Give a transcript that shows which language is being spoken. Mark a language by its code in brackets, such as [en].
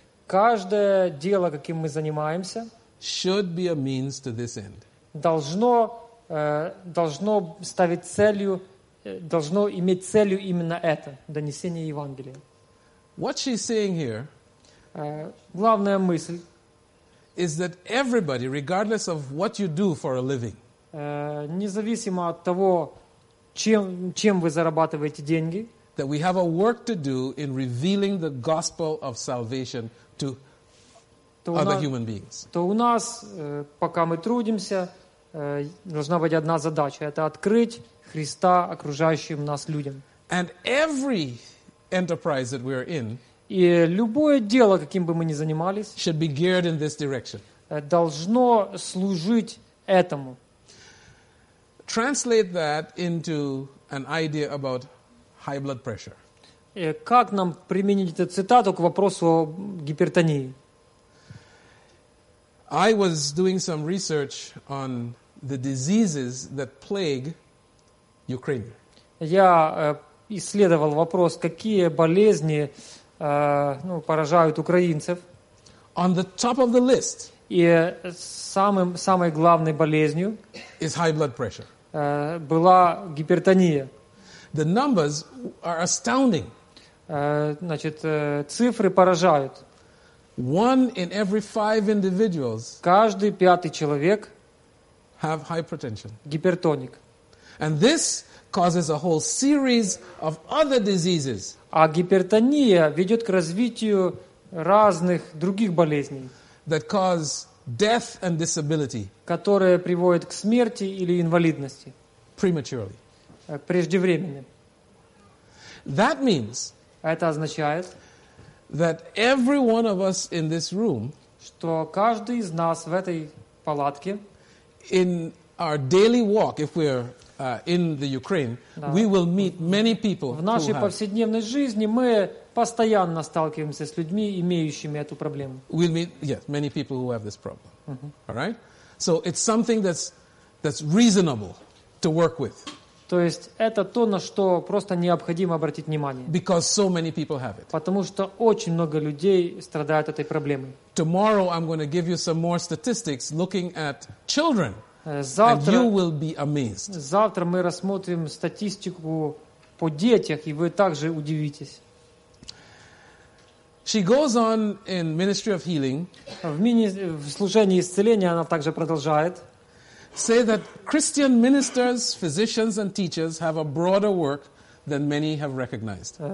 [ru] Каждое дело, каким мы занимаемся, [en] should be a means to this end. [ru] Должно ставить целью, должно иметь целью именно это, донесение Евангелия. [en] What she's saying here, [ru] главная мысль, [en] is that everybody, regardless of what you do for a living, [ru] независимо от того, чем вы зарабатываете деньги, [en] that we have a work to do in revealing the gospel of salvation to other human beings. [ru] То у нас, пока мы трудимся, должна быть одна задача. Это открыть Христа окружающим нас людям. [en] And every enterprise that we are in, [ru] и любое дело, каким бы мы ни занимались, [en] should be geared in this direction. [ru] Должно служить этому. [en] Translate that into an idea about high blood pressure. [ru] Как нам применить эту цитату к вопросу о гипертонии? [en] I was doing some research on the diseases that plague Ukraine. [ru] Я исследовал вопрос, какие болезни поражают украинцев. [en] On the top of the list. [ru] И самой главной болезнью [en] is high blood pressure. [ru] Была гипертония. [en] The numbers are astounding. [ru] Значит, цифры поражают. [en] One in every five individuals. [ru] Каждый пятый человек. [en] Have hypertension. [ru] Гипертоник. [en] And this causes a whole series of other diseases. [ru] А гипертония ведет к развитию разных других болезней, [en] that cause death and disability, [ru] которые приводят к смерти или инвалидности [en] prematurely. [ru] Преждевременно. [en] That means, [ru] это означает, [en] that every one of us in this room, [ru] что каждый из нас в этой палатке, [en] in our daily walk, if we're in the Ukraine, [ru] да, [en] we will meet many people. [ru] В нашей повседневной жизни мы постоянно сталкиваемся с людьми, имеющими эту проблему. [en] We'll meet, yes, many people who have this problem. Mm-hmm. All right? So it's something that's reasonable to work with. [ru] То есть это то, на что просто необходимо обратить внимание. [en] Because so many people have it. [ru] Потому что очень много людей страдают этой проблемой. [en] Tomorrow I'm going to give you some more statistics looking at children. [ru] Завтра, [en] and you will be amazed. [ru] Завтра мы рассмотрим статистику по детях, и вы также удивитесь. [en] She goes on in Ministry of Healing. [ru] В служении исцеления она также продолжает. [en] Say that Christian ministers, physicians, and teachers have a broader work than many have recognized.